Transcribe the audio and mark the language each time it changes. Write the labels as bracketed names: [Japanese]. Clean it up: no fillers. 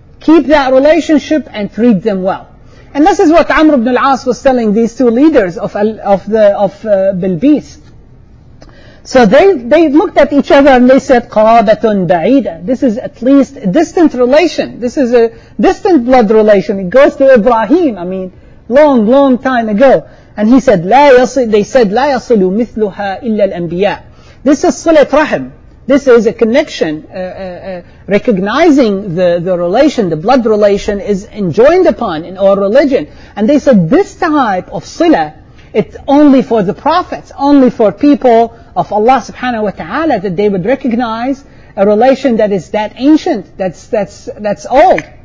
[English] Keep that relationship and treat them well. And this is what Amr ibn al-As was telling these two leaders of Bilbis. So they looked at each other and they said, [Arabic] قَرَابَةٌ بَعِيدًا. [English] This is at least a distant relation. This is a distant blood relation. It goes to Ibrahim, I mean, long, long time ago. And he said, [Arabic] لَا يَصِلُ مِثْلُهَا إِلَّا الْأَنْبِيَاءِ. [English] This is [Arabic] صِلَةُ رَحِمْ. [English] This is a connection. Recognizing the relation, the blood relation, is enjoined upon in our religion. And they said, this type of sila, it's only for the prophets, only for people of Allah subhanahu wa ta'ala, that they would recognize a relation that is that ancient, that's old.